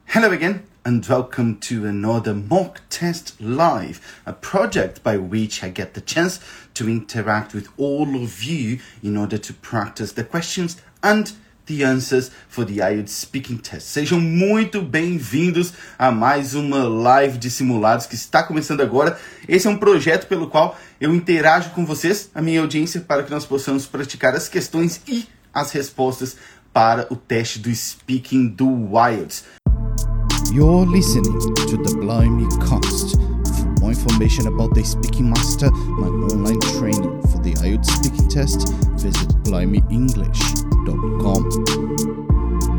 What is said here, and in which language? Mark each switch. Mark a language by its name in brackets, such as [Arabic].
[English] Hello again, and welcome to another Mock Test Live, a project by which I get the chance to interact with all of you in order to practice the questions and the answers for the IELTS speaking test. [Portuguese] Sejam muito bem-vindos a mais uma live de simulados que está começando agora. Esse é um projeto pelo qual eu interajo com vocês, a minha audiência, para que nós possamos praticar as questões e as respostas para o teste do speaking do IELTS. [English] You're listening to The Blimey Cast. For more information about the Speaking Master, my online training for the IELTS speaking test, visit blimeyenglish.com.